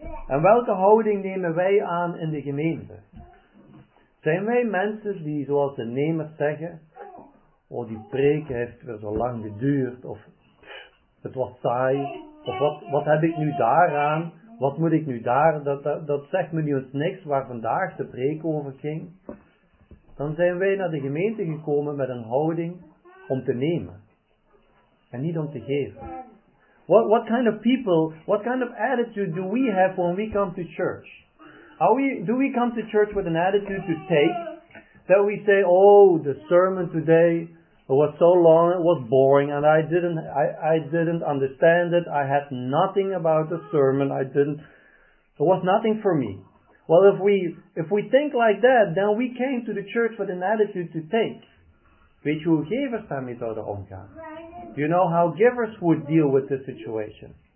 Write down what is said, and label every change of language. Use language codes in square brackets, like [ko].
[nl] En welke houding nemen wij aan in de gemeente? Zijn wij mensen die, zoals de nemers zeggen, oh, die preek heeft weer zo lang geduurd, of het was saai, of wat heb ik nu daaraan? Wat moet ik nu daar, dat zegt me nu eens niks waar vandaag de preek over ging. Dan zijn wij naar de gemeente gekomen met een houding om te nemen. En niet om te geven. [en] What kind of people, what kind of attitude do we have when we come to church? Do we come to church with an attitude to take? That we say, oh, the sermon today was so long, it was boring, and I didn't understand it. I had nothing about the sermon. It was nothing for me. Well, if we think like that, then we came to the church with an attitude to take. [nl] Weet je hoe gevers daarmee zouden omgaan? [en] Do you know how givers would deal with the situation?